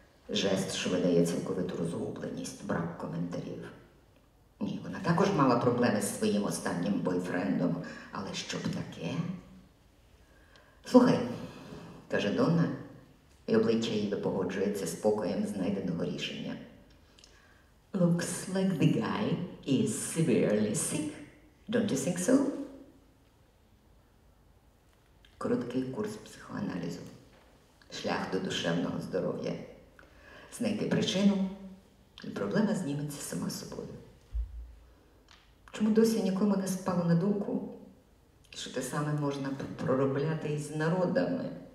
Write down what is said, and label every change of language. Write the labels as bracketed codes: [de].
[uk] Жест, що видає цілковиту розгубленість, брак коментарів. Ні, вона так. також мала проблеми з своїм останнім бойфрендом, але що б таке? Слухай, каже Донна, і обличчя її погоджується з спокоєм знайденого рішення. [en] Looks like the guy is severely sick, don't you think so? [uk] Короткий курс психоаналізу. Шлях до душевного здоров'я. Знайти причину, і проблема зніметься сама собою. Чому досі нікому не спало на думку, що те саме можна проробляти із народами?